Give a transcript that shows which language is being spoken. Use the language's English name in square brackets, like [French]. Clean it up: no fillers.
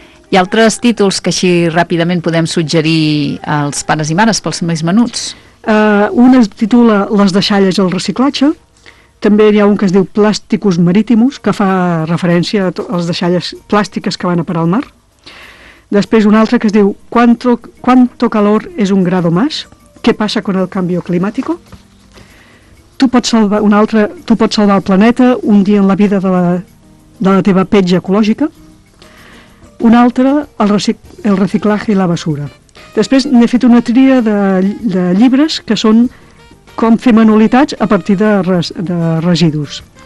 [Catalan] I altres títols que així ràpidament podem suggerir als pares i mares pels més menuts? Un es titula Les deixalles i el reciclatge. També hi ha un que es diu Plasticus Marítimus, que fa referència a les deixalles plàstiques que van a parar al mar. [Spanish] Després un altre que es diu Quanto calor es un grado más? ¿Qué pasa con el cambio climático? [Catalan] tu pots salvar un altre, tu pots salvar el planeta un dia en la vida de la teva petja ecològica, un altre el reciclatge i la basura. Després n'he fet una tria de llibres que són com fer manualitats a partir de residus.